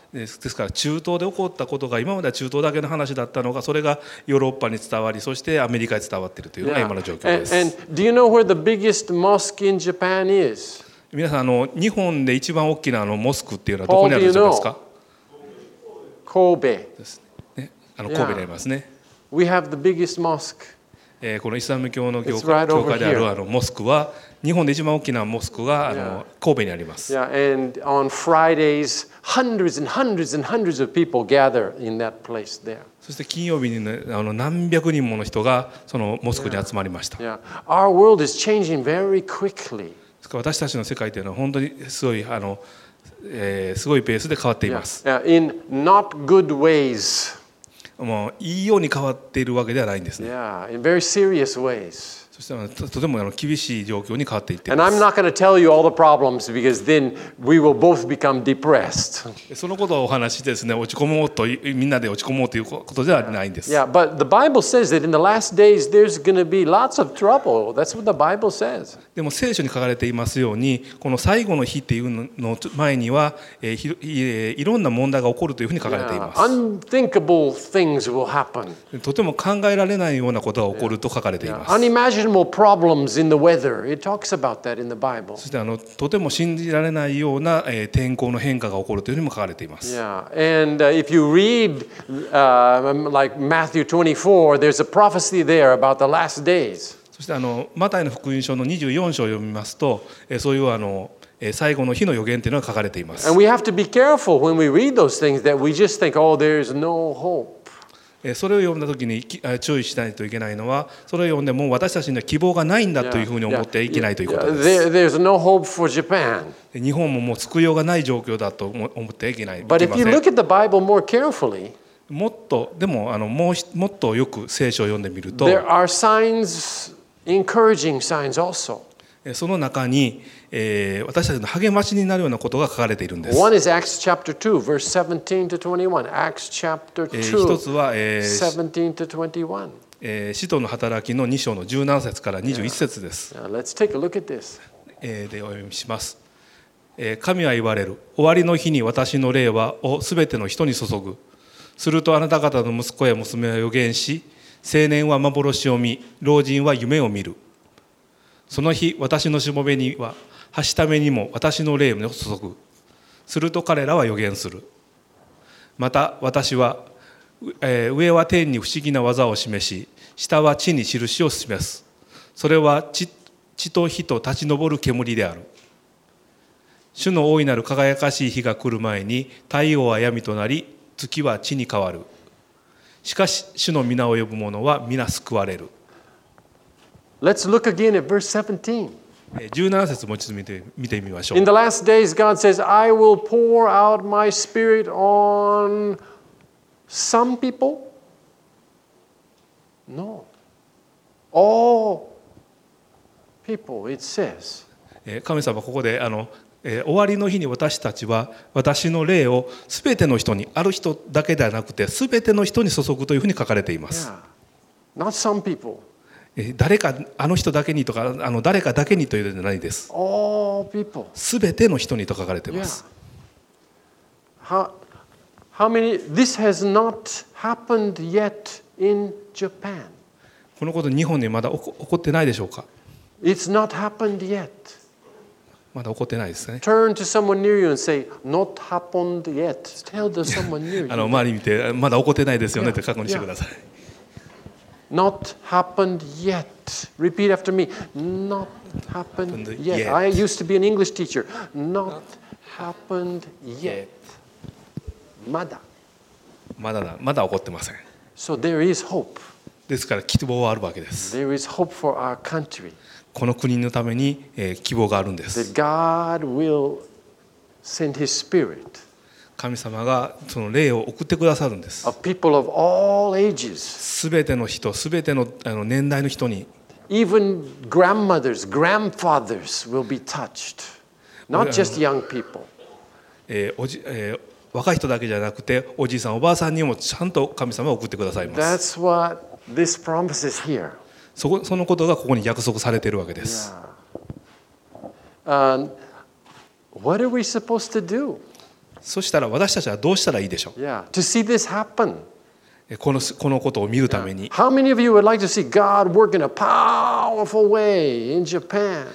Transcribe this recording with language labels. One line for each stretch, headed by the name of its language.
Japanese: ですから中東で起こったことが今までは中東だけの話だったのがそれがヨーロッパに伝わりそしてアメリカに伝わっているというのが今の状況です。
English: And do you know where the biggest mosque in Japan is?
Japanese: 皆さん日本で一番大きなモスクっていうのはどこにあるんですか？神戸。神戸にありますね。
English: We have the biggest mosque.
Japanese: このイスラム教の教会であるモスクは日本で一番大きなモスクが神戸にあります。
English: Yeah, and on Fridays, hundreds and hundreds and hundreds of people gather in that place there.
Japanese: そして金曜日に何百人もの人がそのモスクに集まりました。
English: Yeah, our world is changing very quickly.
Japanese: 私たちの世界というのは本当にすごいすごいペースで変わっています。
English: Yeah, in not good ways.
Japanese: もういいように変わっているわけではないんですね。
English: Yeah, in very serious ways.
Japanese: そしてとても厳しい状況に変わっていっています
English: 。And I'm not going to tell you all the problems because then we will both become depressed.
Japanese: そのことをお話しですね、落ち込もうとみんなで落ち込もうということではないんです。
English: Yeah, but the Bible says that in the last days there's going to be lots of trouble. That's what the Bible says.
Japanese: でも聖書に書かれていますように、この最後の日っていうの前にはいろんな問題が起こるというふうに書かれています。
English: Yeah, unthinkable things will happen.
Japanese: とても考えられないようなことが起こると書かれています。
English: Unimaginableproblems in the weather. It talks about that in the Bible.
Japanese: そしてとても信じられないような天候の変化が起こるというふうにも書かれています。
English: Yeah. And if you read like Matthew 24, there's a prophecy there about the last days.
Japanese: そしてマタイの福音書の24章を読みますと、そういう最後の日の予言というのが書かれています。
English: And we have to be careful when we read those things that we just think, oh, there's no hope.
Japanese: それを読んだときに注意しないといけないのは、それを読んでも私たちには希望がないんだというふうに思ってはいけないということです。
English: There's no hope for Japan.
Japanese: 日本ももう救いようがない状況だと思ってはいけない。いけません。
English: But if you look at the Bible more carefully,
Japanese: もっとでも、もっとよく聖書を読んでみると、
English: There are signs, encouraging signs also.
Japanese: その中に、私たちの励ましになるようなことが書かれているんです。
English: One is Acts chapter 2, verse 17 to 21. Acts chapter 2,
Japanese: 一つは、
English: 17 to 21.
Japanese: 使徒の働きの2章の17節から21節です。
English: Let's take a look at this.
Japanese: でお読みします。神は言われる。終わりの日に私の霊はを全ての人に注ぐ。するとあなた方の息子や娘は予言し、青年は幻を見、老人は夢を見る。その日私のしもべには橋ためにも私の霊を注ぐ。すると彼らは予言する。また私は、上は天に不思議な技を示し、下は地に印を示す。それは 地と火と立ち上る煙である。主の大いなる輝かしい日が来る前に太陽は闇となり、月は地に変わる。しかし主の皆を呼ぶ者は皆救われる。
English: Let's look again at verse 17.
Japanese: 17節もう一度見てみましょう。
English: In the last days, God says, I will pour out my spirit on some people? No. All people, it says.
Japanese: 神様ここで終わりの日に私たちは私の霊をすべての人に、ある人だけではなくてすべての人に注ぐというふうに書かれています。
English: Not some people.
Japanese: 誰かあの人だけにとか、あの誰かだけにというのではないです。
English: All people.
Japanese: すべての人にと書かれています。
English: How many? This has not happened yet in Japan.
Japanese: このこと日本にまだ起こってないでしょうか。
English: It's not happened yet.
Japanese: まだ起こってないですね。
English: Turn to someone near you and say, "Not happened yet." Tell to someone near you.
Japanese: あの周り見て、まだ起こってないですよねって確認してください。
English: Not happened yet. Repeat after me. Not happened yet. I used to be an English teacher. Not happened yet.
Japanese: まだ。まだだ。まだ起こってません。
English: So there is hope.
Japanese: ですから希望はあるわけです。
English: There is hope for our country.
Japanese: この国のために希望があるんです。
English: That God will send His Spirit.
Japanese: 神様がその霊を送ってくださるんです。
English: Of people of all ages.
Japanese: すべての人、すべての年代の人に。
English: Even grandmothers, grandfathers will be touched. Not just young people.
Japanese: おじ、若い人だけじゃなくて、おじいさん、おばあさんにもちゃんと神様を送ってくださいます。
English: That's what this promise is here.
Japanese: そのことがここに約束されているわけです。
English: What are we supposed to do?
Japanese: そしたら私たちはどうしたらいいでしょう。
English: Yeah. To see this happen.
Japanese: このことを見るために。
English: Yeah. How many of you would like to see God work in a powerful way in Japan?